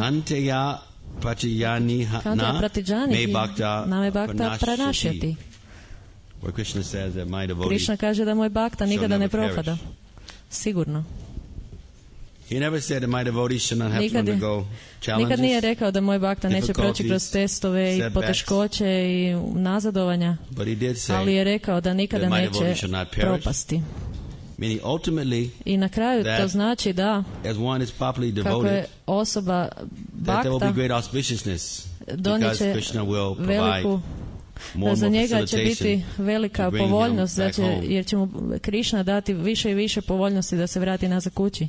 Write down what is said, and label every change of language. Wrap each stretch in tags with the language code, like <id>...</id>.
<sa>Kanteya Pratijani na me bhakta pranašati.</sa> <en>Where Krishna says that my devotee</en> <hr>Krishna kaže da moj bhakta nikada ne propada. Sigurno.</hr> <en>He never said that my devotee should not have</en> <hr>nikad,</hr> <en>to undergo challenges.</en> <hr>Nikad nije rekao da moj bhakta neće proći kroz testove i poteškoće i nazadovanja.</hr> <en>But he did say</en> <hr>ali je rekao da nikada neće propasti.</hr> <en>Meaning ultimately,</en> <hr>i na kraju to znači da</hr> <en>as one is properly devoted,</en> <hr>osoba bhakta,</hr> <en>that there will be great auspiciousness because Krishna will provide.</en> <hr>za njega će biti velika povoljnost, znači, jer će mu Krišna dati više i više povoljnosti da se vrati nazad kući.</hr>